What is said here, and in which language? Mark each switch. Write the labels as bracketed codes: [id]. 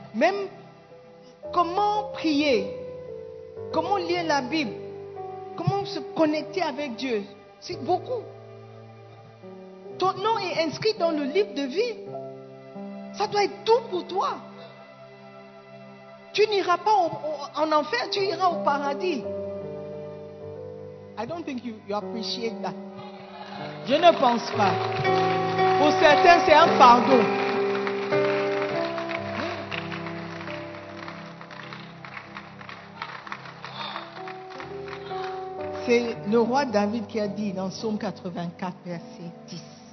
[fr] Même comment prier, comment lire la Bible, comment se connecter avec Dieu, c'est beaucoup. Ton nom est inscrit dans le livre de vie. Ça doit être tout pour toi. Tu n'iras pas en enfer, tu iras au paradis. [en] I don't think you appreciate that. [fr] Je ne pense pas. Pour certains, c'est un fardeau. C'est le roi David qui a dit dans Psaume 84, verset 10.